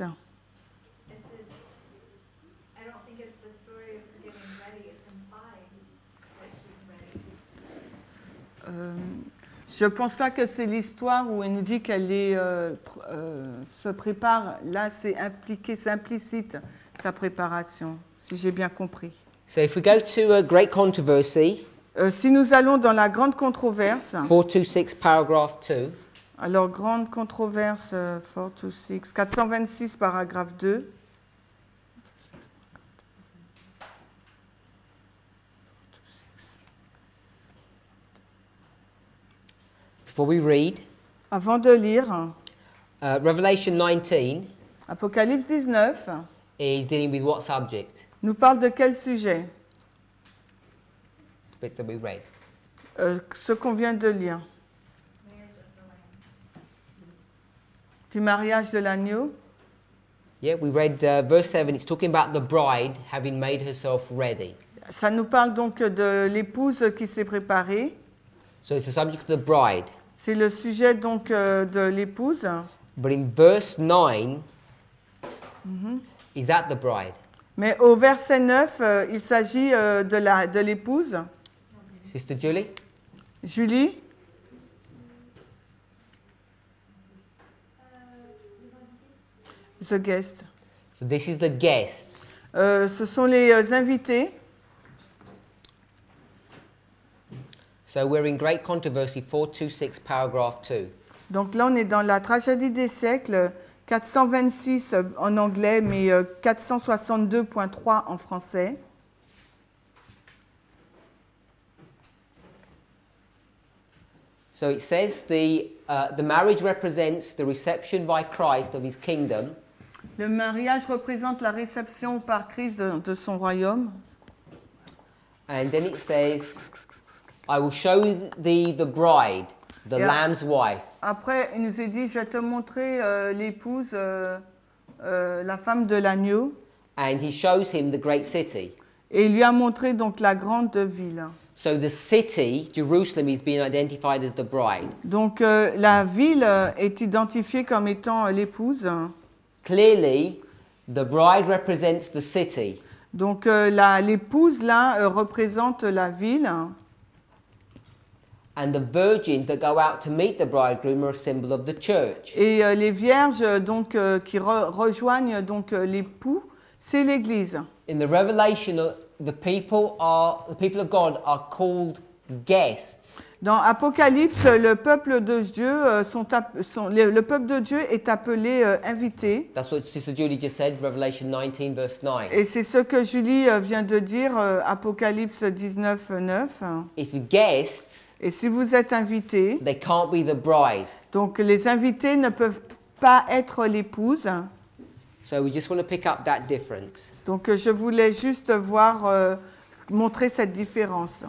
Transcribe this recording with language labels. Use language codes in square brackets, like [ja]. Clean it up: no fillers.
[en] I don't think it's the story of getting ready. It's implied that she's ready. [fr] Je pense pas que c'est l'histoire où elle nous dit qu'elle est... se prépare, là c'est impliqué, c'est implicite sa préparation, si j'ai bien compris. [en] So if we go to a great controversy, [fr] si nous allons dans la grande controverse, [en] 426 paragraph 2, [fr] alors grande controverse 426, 426 paragraphe 2, [en] before we read, [fr] avant de lire, [en] Revelation 19, [fr] Apocalypse 19 [en] is dealing with what subject? [fr] Nous parle de quel sujet? [en] The bit that we read. [fr] Ce qu'on vient de lire. Du mariage de l'agneau. [en] Yeah, we read verse 7. It's talking about the bride having made herself ready. [fr] Ça nous parle donc de l'épouse qui s'est préparée. [en] So it's the subject of the bride. [fr] C'est le sujet donc de l'épouse. [en] But in verse 9, is that the bride? [fr] Mais au verset 9, il s'agit de l'épouse. [en] Sister Julie? Julie? The guest. So this is the guests. [fr] Ce sont les invités. [en] So we're in great controversy, 426, paragraph 2. [fr] Donc là, on est dans la tragédie des siècles, 426 en anglais, mais 462.3 en français. [en] So it says the marriage represents the reception by Christ of his kingdom. [fr] Le mariage représente la réception par Christ de son royaume. [en] And then it says, I will show thee the bride, the lamb's wife. [fr] Après, il nous a dit, je vais te montrer l'épouse, la femme de l'agneau. [en] And he shows him the great city. [fr] Et il lui a montré donc la grande ville. [en] So the city, Jerusalem, is being identified as the bride. [fr] Donc la ville est identifiée comme étant l'épouse. [en] Clearly, the bride represents the city. [fr] Donc l'épouse là représente la ville. [en] And the virgins that go out to meet the bridegroom are a symbol of the church. [fr] Et les vierges donc qui rejoignent donc l'époux, c'est l'église. [en] In the Revelation, the people of God are called guests. [fr] Dans Apocalypse, le peuple de Dieu le peuple de Dieu est appelé invité. [en] That's what Sister Julie just said, Revelation 19, verse 9. [fr] Et c'est ce que Julie vient de dire, Apocalypse 19, 9. [en] If guests, [fr] et si vous êtes invité, [en] they can't be the bride. [fr] Donc les invités ne peuvent pas être l'épouse. [en] So we just want to pick up that difference. [fr] Donc je voulais juste voir montrer cette différence.